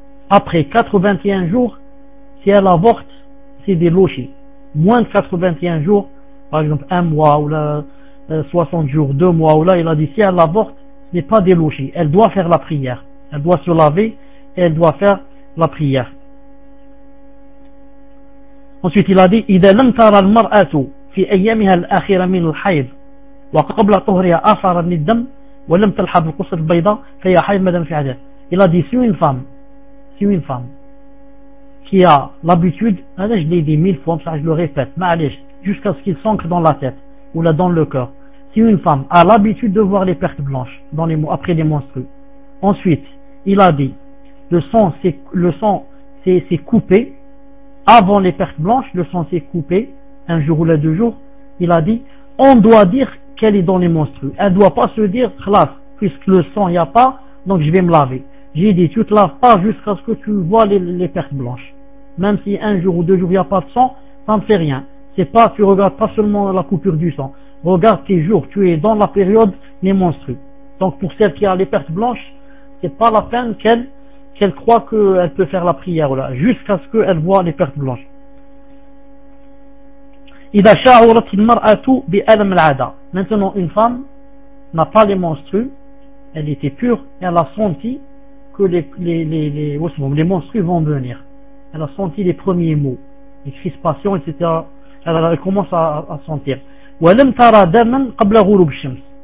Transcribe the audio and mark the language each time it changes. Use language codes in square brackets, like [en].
[fr] Après 81 jours, si elle avorte, c'est des lochers. Moins de 81 jours, par exemple un mois ou là, 60 jours, 2 mois ou là, il a dit si elle avorte, ce n'est pas des lochers. Elle doit faire la prière. Elle doit se laver et elle doit faire la prière. Ensuite, il a dit, [ar] إذا لم ترى المرأة في أيامها الأخيرة من الحيض وقبل طهرها آثار من الدم ولم تلحظ القصة البيضاء فهي حيض مدام في عدد. [fr] Il a dit, si une femme qui a l'habitude, je l'ai dit mille fois, ça je le répète, mais jusqu'à ce qu'il s'ancre dans la tête ou là dans le cœur, si une femme a l'habitude de voir les pertes blanches dans les, après les menstrues, ensuite il a dit le sang s'est coupé avant les pertes blanches, le sang s'est coupé un jour ou là deux jours, il a dit on doit dire qu'elle est dans les menstrues. Elle doit pas se dire khlas, puisque le sang il n'y a pas, donc je vais me laver. J'ai dit, tu te laves pas jusqu'à ce que tu vois les pertes blanches. Même si un jour ou deux jours il n'y a pas de sang, ça ne fait rien. C'est pas, tu regardes pas seulement la coupure du sang. Regarde tes jours, tu es dans la période des menstrues. Donc pour celle qui a les pertes blanches, c'est pas la peine qu'elle croit qu'elle peut faire la prière là, jusqu'à ce qu'elle voit les pertes blanches. [ar] إذا شعرت المرأة بألم العادة. [fr] Maintenant, une femme n'a pas les menstrues, elle était pure, et elle a senti que les menstrues vont venir. Elle a senti les premiers maux, les crispations, etc. Elle commence à sentir. [ar] وَلَمْ تَرَى دَمًا قَبْلَ غُرُوبِ الشَّمْسِ.